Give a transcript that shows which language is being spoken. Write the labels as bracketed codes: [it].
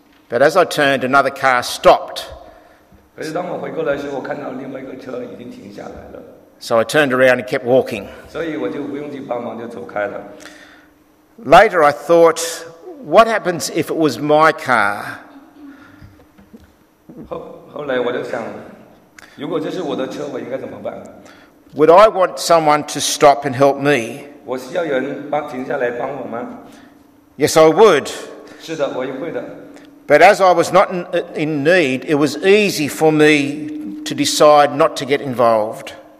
[en] But as I turned, another car stopped. [zh] 可是当我回过来时，我看到另外一个车已经停下来了。 [en] So I turned around and kept walking. [zh] 所以我就不用去帮忙，就走开了。 [en] Later I thought, what happens if it was my car? [zh] 后来我就想，如果这是我的车，我应该怎么办？ [en] Would I want someone to stop and help me? [zh] 我需要有人停下来帮我吗？ [en] Yes, I would. [zh] 是的，我也会的。 [en] But as I was not in need, it was easy for me to decide not to get involved.